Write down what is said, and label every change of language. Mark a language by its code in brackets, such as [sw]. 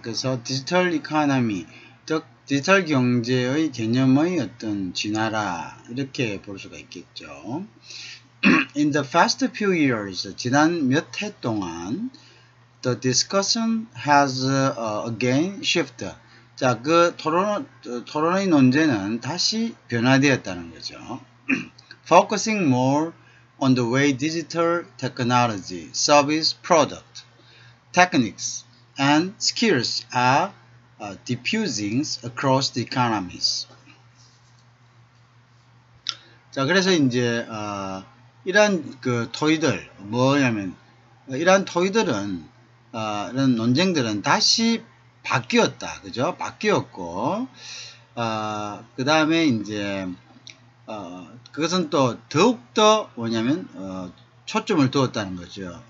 [ko] 그래서 디지털 이코노미, 즉 디지털 경제의 개념의 어떤 진화라 이렇게 볼 수가 있겠죠. [en] In the past few years, [ko] 지난 몇해 동안 [en] the discussion has again shifted. [ko] 자, 그 토론의 논제는 다시 변화되었다는 거죠. [en] Focusing more on the way digital technology, service, product, techniques, and skills are diffusing across the economies. [ko] 자, 그래서 이제 이런 그 토의들, 뭐냐면 이런 토의들은 이런 논쟁들은 다시 바뀌었다, 그죠? 바뀌었고, 그 다음에 이제 그것은 또 더욱더 뭐냐면 초점을 두었다는 거죠.